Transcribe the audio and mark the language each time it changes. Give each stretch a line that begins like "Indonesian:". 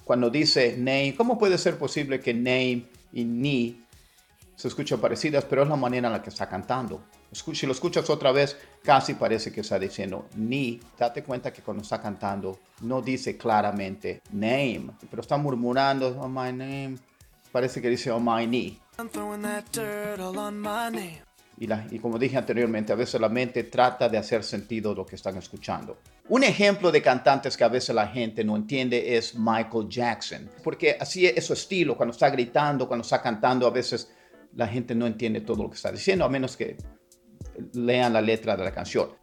Spanish: Cuando dice name, ¿cómo puede ser posible que name y knee se escuchan parecidas? Pero es la manera en la que está cantando. Si lo escuchas otra vez, casi parece que está diciendo knee. Date cuenta que cuando está cantando, no dice claramente name. Pero está murmurando,
English: oh my name.
Spanish: Parece que dice,
English: oh my knee. I'm throwing that turtle on my knee.
Spanish: Y como dije anteriormente, a veces la mente trata de hacer sentido lo que están escuchando. Un ejemplo de cantantes que a veces la gente no entiende es Michael Jackson. Porque así es su estilo, cuando está gritando, cuando está cantando, a veces la gente no entiende todo lo que está diciendo, a menos que lean la letra de la canción.